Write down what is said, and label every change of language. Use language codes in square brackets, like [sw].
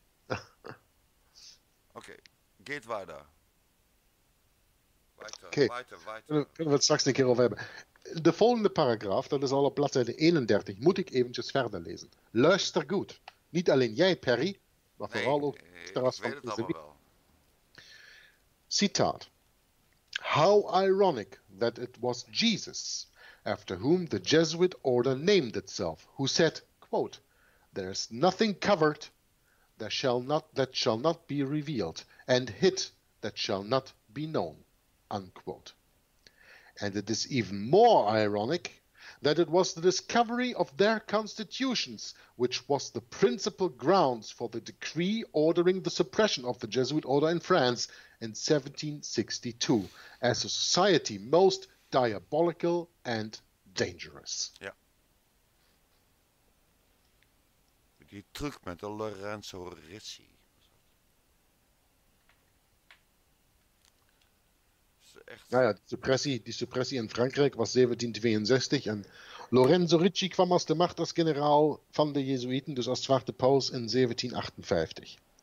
[de] Oké, okay. Geht weiter. Weiter. [nl] Kunnen we het straks een keer over hebben. De volgende paragraaf, dat is al op bladzijde 31, moet ik eventjes verder lezen. Luister goed. Niet alleen jij, Perry, maar nee, vooral ook de rest van de wereld. Citaat. [en] How ironic that it was Jesus, after whom the Jesuit order named itself, who said, quote, there is nothing covered that shall not be revealed, and hid that shall not be known, unquote. And it is even more ironic that it was the discovery of their constitutions which was the principal grounds for the decree ordering the suppression of the Jesuit order in France in 1762, as a society most diabolical and dangerous. [nl] Ja. Die truc met de Lorenzo Rizzi. Echt... Nou ja, die suppressie in Frankrijk was 1762 en Lorenzo Rizzi kwam als de macht als generaal van de Jesuiten, dus als Zwarte Paus in 1758.